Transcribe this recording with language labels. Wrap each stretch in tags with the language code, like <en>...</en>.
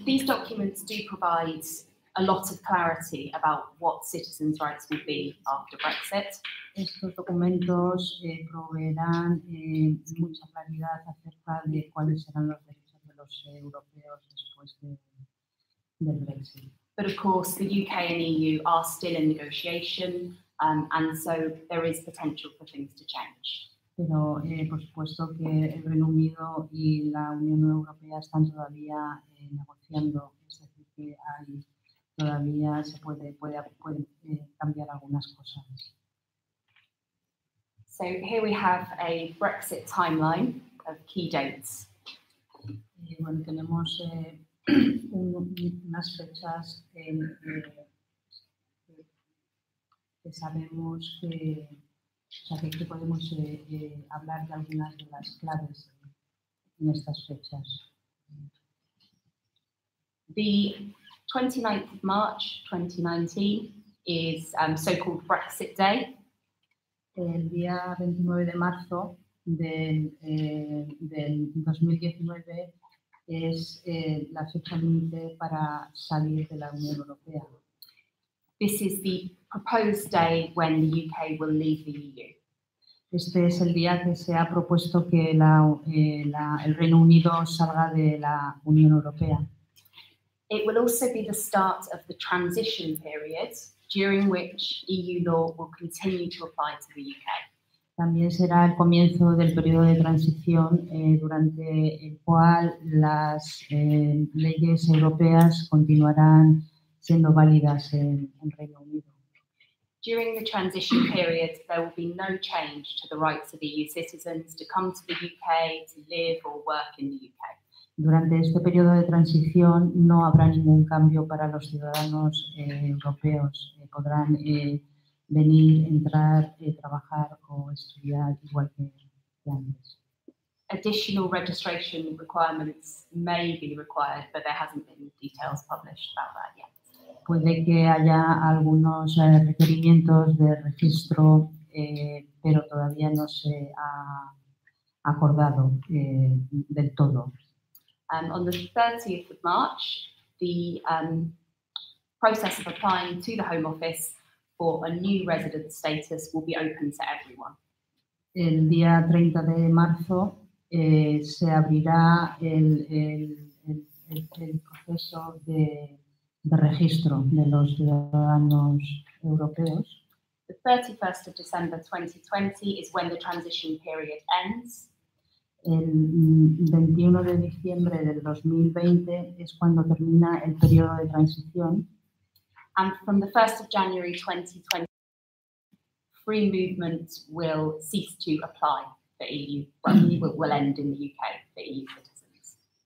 <en>These documents do provide a lot of clarity about what citizens' rights will be after Brexit.</en> <es>Estos documentos proveerán mucha claridad acerca de cuáles serán los derechos de los europeos después del Brexit.</es> <en>But of course, the UK and EU are still in negotiation, and so there is potential for things to change.</en> <es>Pero, por supuesto, que el Reino Unido y la Unión Europea están todavía negociando, es decir, que hay todavía se puede cambiar algunas cosas.</es> <en>So here we have a Brexit timeline of key dates.</en> <es>Bueno, tenemos unas fechas que sabemos que, o sea, que podemos hablar de algunas de las claves en estas fechas.</es> <en>The 29th of March 2019 is so-called Brexit Day.</en> <es>El día 29 de marzo del 2019 es la fecha límite para salir de la Unión Europea.</es> <en>This is the proposed day when the UK will leave the EU.</en> <es>Este es el día que se ha propuesto que el Reino Unido salga de la Unión Europea.</es> <en>It will also be the start of the transition period during which EU law will continue to apply to the UK.</en> <es>También será el comienzo del periodo de transición durante el cual las leyes europeas continuarán siendo válidas en Reino Unido.</es> <en>During the transition period, there will be no change to the rights of EU citizens to come to the UK, to live or work in the UK.</en> <es>Durante este periodo de transición no habrá ningún cambio para los ciudadanos europeos. Podrán venir, entrar, trabajar o estudiar igual que antes.</es> <en>Additional registration requirements may be required, but there hasn't been details published about that yet.</en> <es>Puede que haya algunos requerimientos de registro, pero todavía no se ha acordado del todo.</es> <en>On the 30th of March, the process of applying to the Home Office for a new resident status will be open to everyone.</en> <es>El día 30 de marzo se abrirá el proceso de registro de los ciudadanos europeos.</es> <en>The 31st of December 2020 is when the transition period ends.</en> <es>El 21 de diciembre del 2020 es cuando termina el periodo de transición.</es> <en>And from the 1st of January 2020, free movement will cease to apply for EU, will end in the UK for EU citizens.</en>